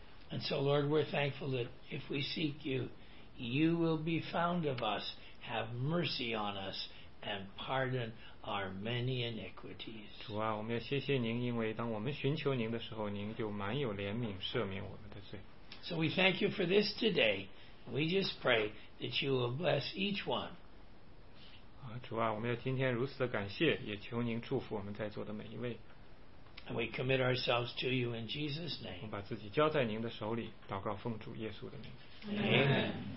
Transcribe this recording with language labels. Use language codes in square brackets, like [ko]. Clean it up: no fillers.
[en] And so, Lord, we're thankful that if we seek you, you will be found of us. Have mercy on us and pardon our many iniquities. [zh] 主啊，我们要谢谢您，因为当我们寻求您的时候，您就满有怜悯，赦免我们的罪。 [en] So we thank you for this today. We just pray that you will bless each one. [zh] 主啊，我们要今天如此的感谢，也求您祝福我们在座的每一位。 [en] And we commit ourselves to you in Jesus' name. [zh] 我们把自己交在您的手里，祷告奉主耶稣的名。